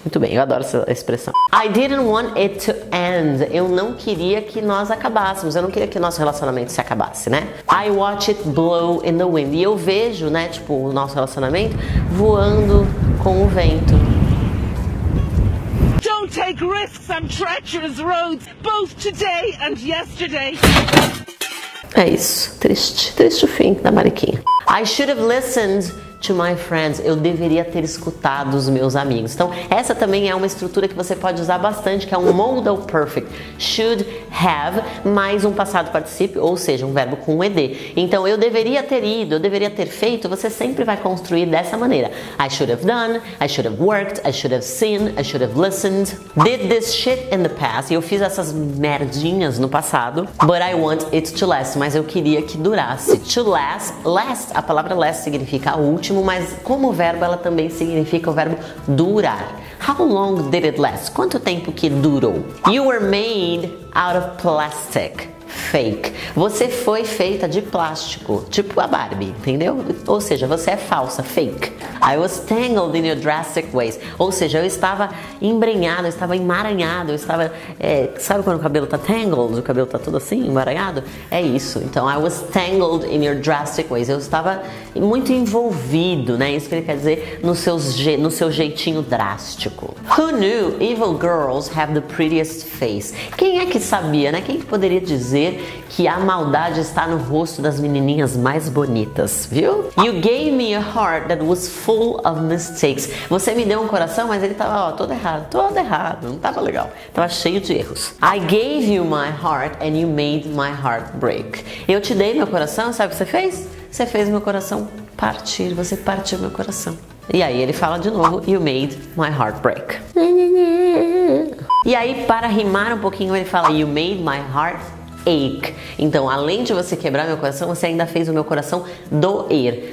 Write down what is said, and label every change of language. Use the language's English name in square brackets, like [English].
[Portuguese] Muito bem, eu adoro essa expressão. [English] I didn't want it to end. [Portuguese] Eu não queria que nós acabássemos. Eu não queria que nosso relacionamento se acabasse, né? [English] I watch it blow in the wind. [Portuguese] E eu vejo, né, tipo, o nosso relacionamento voando com o vento. [English] Take risks on treacherous roads, both today and yesterday. [Portuguese] É isso. Triste. Triste o fim da Mariquinha. [English] I should have listened to my friends. [Portuguese] Eu deveria ter escutado os meus amigos. Então, essa também é uma estrutura que você pode usar bastante, que é um modal perfect. Should have mais um passado participe, ou seja, um verbo com um ed. Então, eu deveria ter ido, eu deveria ter feito, você sempre vai construir dessa maneira. [English] I should have done, I should have worked, I should have seen, I should have listened. Did this shit in the past. [Portuguese] E eu fiz essas merdinhas no passado. [English] But I want it to last. [Portuguese] Mas eu queria que durasse. To last, last. A palavra last significa último. Mas como verbo, ela também significa o verbo durar. [English] How long did it last? [Portuguese] Quanto tempo que durou? [English] You were made out of plastic. Fake. [Portuguese] Você foi feita de plástico, tipo a Barbie, entendeu? Ou seja, você é falsa, fake. [English] I was tangled in your drastic ways. [Portuguese] Ou seja, eu estava embrenhado, eu estava emaranhado, eu estava... É, sabe quando o cabelo tá tangled, o cabelo tá tudo assim, emaranhado? É isso. [English] Então, I was tangled in your drastic ways. [Portuguese] Eu estava muito envolvido, né? Isso que ele quer dizer no seu jeitinho drástico. [English] Who knew evil girls have the prettiest face? [Portuguese] Quem é que sabia, né? Quem que poderia dizer que a maldade está no rosto das menininhas mais bonitas, viu? [English] You gave me a heart that was full of mistakes. [Portuguese] Você me deu um coração, mas ele tava, ó, todo errado, não tava legal, tava cheio de erros. [English] I gave you my heart and you made my heart break. [Portuguese] Eu te dei meu coração, sabe o que você fez? Você fez meu coração partir, você partiu meu coração. E aí ele fala de novo, [English] you made my heart break. [Portuguese] E aí, para rimar um pouquinho, ele fala, [English] you made my heart ache. [Portuguese] Então, além de você quebrar meu coração, você ainda fez o meu coração doer.